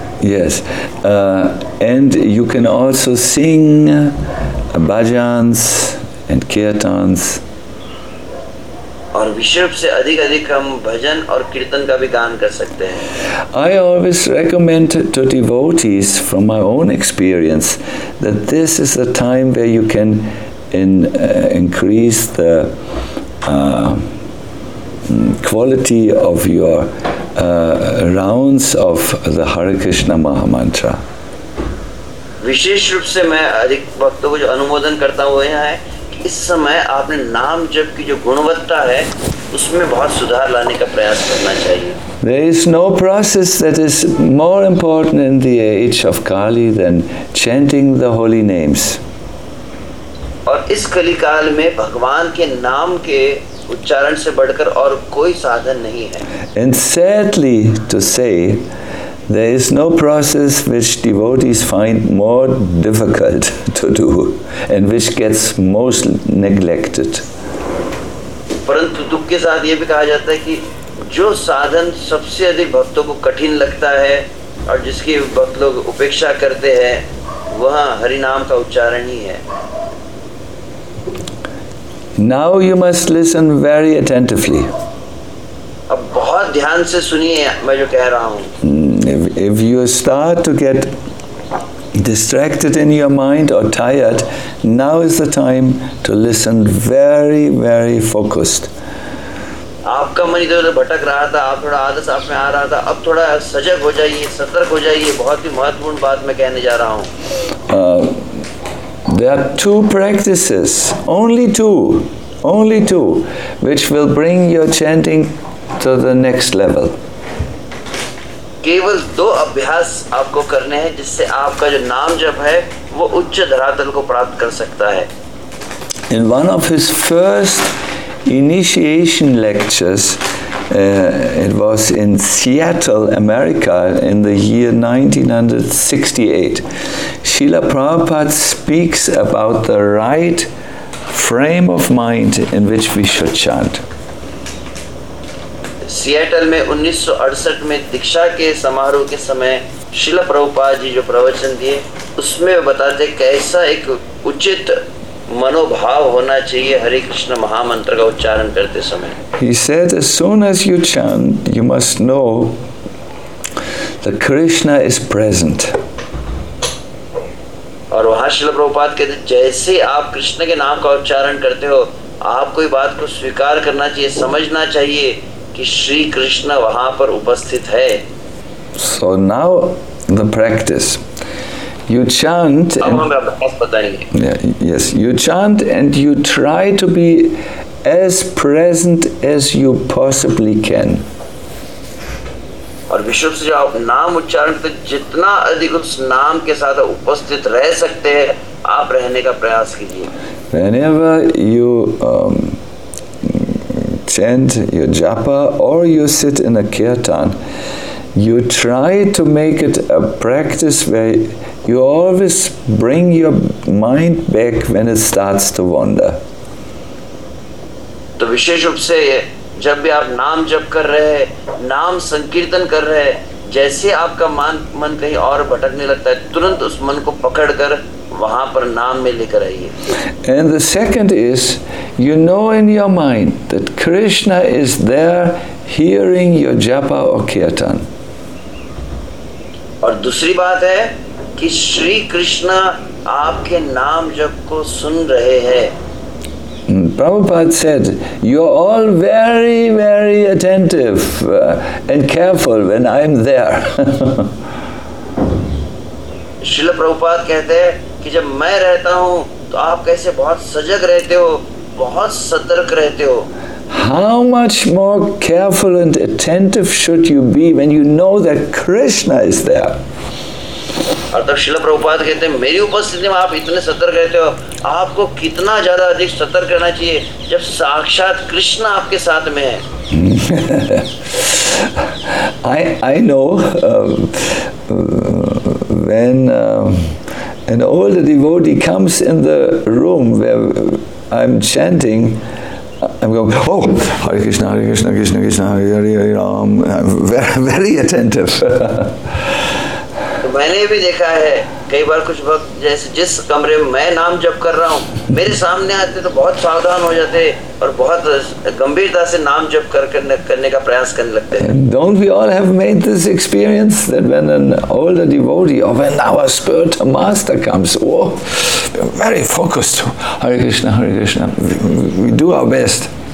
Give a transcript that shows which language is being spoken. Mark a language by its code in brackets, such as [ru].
[en] Yes, and you can also sing bhajans and kirtans. [hi] और विषय से अधिक अधिक हम भजन और कीर्तन का भी गान कर सकते हैं। [en] I always recommend to devotees from my own experience that this is a time where you can increase the quality of your rounds of the Hare Krishna Mahamantra. [hi] विशेष रूप से मैं अधिक भक्तों को जो अनुमोदन करता हूँ यहाँ है कि इस समय आपने नाम जप की जो गुणवत्ता है उसमें बहुत सुधार लाने का प्रयास करना चाहिए। [en] There is no process that is more important in the age of Kali than chanting the holy names. [hi] और इस कली काल में भगवान के नाम के उच्चारण से बढ़कर और कोई साधन नहीं है। [en] And sadly to say, there is no process which devotees find more difficult to do and which gets most neglected. [hi] परंतु दुख के साथ ये भी कहा जाता है कि जो साधन सबसे अधिक भक्तों को कठिन लगता है और जिसकी भक्त लोग उपेक्षा करते हैं वह हरि नाम का उच्चारण ही है। [en] Now you must listen very attentively. [hi] अब बहुत ध्यान से सुनिए मैं जो कह रहा हूँ। [en] If you start to get distracted in your mind or tired, now is the time to listen very, very focused. [hi] आपका मन इधर उधर भटक रहा था, आप थोड़ा आदर्श आप में आ रहा था, अब थोड़ा सजग हो जाइए, सतर्क हो जाइए, बहुत ही महत्वपूर्ण बात मैं कहने जा रहा हूँ। [en] There are two practices, only two, which will bring your chanting to the next level. [hi] केवल दो अभ्यास आपको करने हैं जिससे आपका जो नाम जप है वो उच्च धरातल को प्राप्त कर सकता है। [en] In one of his first initiation lectures, it was in Seattle, America, in the year 1968. Srila Prabhupada speaks about the right frame of mind in which we should chant. [hi] Seattle में 1968 में दीक्षा के समारोह के समय श्रील प्रभुपाद जी जो प्रवचन दिए उसमें बताते कैसा एक उचित मनोभाव होना चाहिए हरि कृष्ण महामंत्र का उच्चारण करते समय। [en] He said, as soon as you chant, you must know that Krishna is present. [hi] और वहां श्रील प्रभुपाद कहते जैसे आप कृष्ण के नाम का उच्चारण करते हो आपको ये बात को स्वीकार करना चाहिए, समझना चाहिए कि श्री कृष्ण वहां पर उपस्थित है। [en] So now the practice. You chant. [hi] अब हम अभ्यास बताएंगे। [en] Yes, you chant and you try to be as present as you possibly can. [hi] और विश्व से जो नाम उच्चारण पे जितना अधिक उस नाम के साथ उपस्थित रह सकते हैं आप रहने का प्रयास कीजिए। [en] Whenever you chant your japa or you sit in a kirtan, you try to make it a practice where you always bring your mind back when it starts to wander. [hi] तो विशेष रूप से जब भी आप नाम जप कर रहे हैं, नाम संकीर्तन कर रहे हैं, जैसे आपका मन कहीं और भटकने लगता है तुरंत उस मन को पकड़कर वहां पर नाम में लेकर आइए। [en] And the second is, you know in your mind that Krishna is there hearing your japa or kirtan. [hi] और दूसरी बात है कि श्री कृष्णा आपके नाम जप को सुन रहे हैं। [en] Prabhupada said, you are all very, very attentive and careful when I am there. [hi] Srila Prabhupada कहते हैं कि जब मैं रहता हूँ तो आप कैसे बहुत सजग रहते हो, बहुत सतर्क रहते हो। [en] How much more careful and attentive should you be when you know that Krishna is there? [hi] और तब श्रील प्रभुपाद कहते हैं मेरी उपस्थिति में आप इतने सतर्क रहते हो, आपको कितना ज्यादा अधिक सतर्क रहना चाहिए जब साक्षात कृष्ण आपके साथ में है। [en] I know when an old devotee comes in the room where I'm chanting, I'm going, oh, Hare Krishna, Hare Krishna, Krishna Krishna, Hare Hare Ram, very, very attentive. [hi] मैंने भी देखा है कई बार कुछ भक्त जैसे जिस कमरे में मैं नाम जप कर रहा हूँ मेरे सामने आते तो बहुत सावधान हो जाते और बहुत गंभीरता से नाम जप करने का प्रयास करने लगते हैं। [en] Don't we all have made this experience that when an older devotee or when our spiritual master comes, oh, very focused, Hare Krishna, Hare Krishna, we do our best.